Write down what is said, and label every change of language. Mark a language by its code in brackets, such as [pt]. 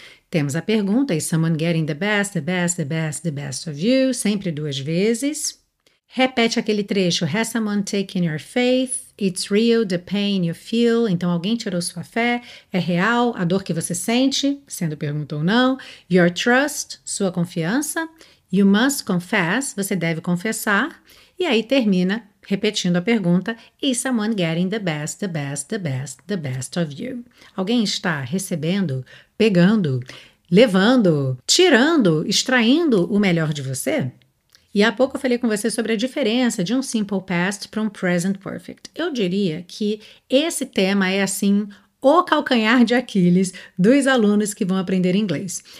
[pt] Temos a pergunta, [en] is someone getting the best, the best, the best, the best of you? [pt] Sempre duas vezes. Repete aquele trecho, [en] has someone taken your faith? It's real, the pain you feel. [pt] Então, alguém tirou sua fé. É real, a dor que você sente, sendo pergunta ou não. [en] Your trust, [pt] sua confiança. [en] You must confess, [pt] você deve confessar. E aí termina repetindo a pergunta. [en] Is someone getting the best, the best, the best, the best of you? [pt] Alguém está recebendo, pegando, levando, tirando, extraindo o melhor de você? E há pouco eu falei com você sobre a diferença de um simple past para um present perfect. Eu diria que esse tema é, assim, o calcanhar de Aquiles dos alunos que vão aprender inglês.